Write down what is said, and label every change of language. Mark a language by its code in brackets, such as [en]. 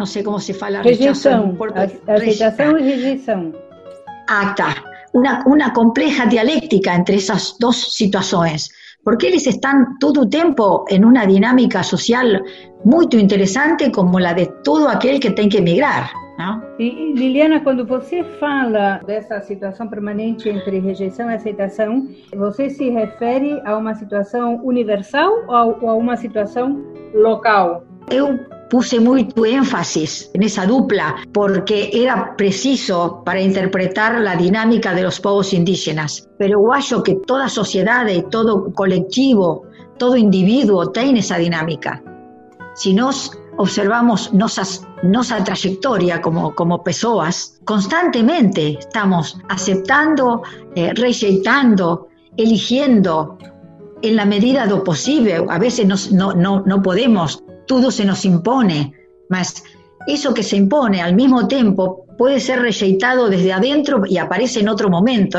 [es] No sé cómo se fala rechazo. Aceptación y rejeição. Acta. Una compleja dialéctica entre esas dos situaciones. Porque ellos están todo el tiempo en una dinámica social muy interesante como la de todo aquel que tiene que emigrar. [pt] E Liliana, quando você fala dessa situação permanente entre rejeição e aceitação, você se refere a uma situação universal ou a uma situação local? Eu puse muito ênfase nessa dupla, porque era preciso para interpretar a dinâmica dos povos indígenas. Mas eu acho que toda sociedade, todo coletivo, todo indivíduo tem essa dinâmica. [es] Se nós observamos nuestra trayectoria como personas, constantemente estamos aceptando, rejeitando, eligiendo en la medida de lo posible. A veces no podemos, todo se nos impone, mas eso que se impone al mismo tiempo puede ser rejeitado desde adentro y aparece en otro momento.